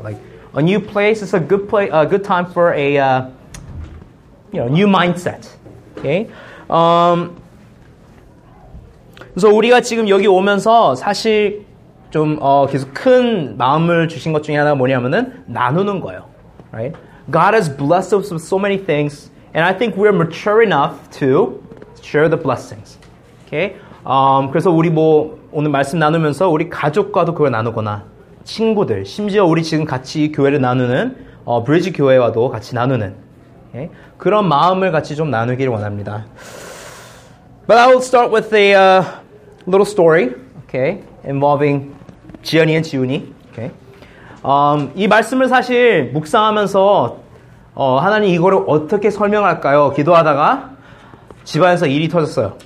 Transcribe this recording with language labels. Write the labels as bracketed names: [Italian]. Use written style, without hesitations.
[English] Like a new place is a good place, a good time for a new mindset. Okay? [Korean] 그래서 우리가 지금 여기 오면서 사실 좀 계속 큰 마음을 주신 것 중에 하나가 뭐냐면은 나누는 거예요. [English] Right? God has blessed us with so many things. And I think we're mature enough to share the blessings. Okay? [Korean] 그래서 우리 뭐 오늘 말씀 나누면서 우리 가족과도 그걸 나누거나 친구들, 심지어 우리 지금 같이 교회를 나누는 브리지 교회와도 같이 나누는 okay? 그런 마음을 같이 좀 나누기를 원합니다. [English] But I will start with a little story, okay? Involving 지연이 and 지훈이. Okay? [Korean] 이 말씀을 사실 묵상하면서 하나님 이거를 어떻게 설명할까요? 기도하다가 집안에서 일이 터졌어요.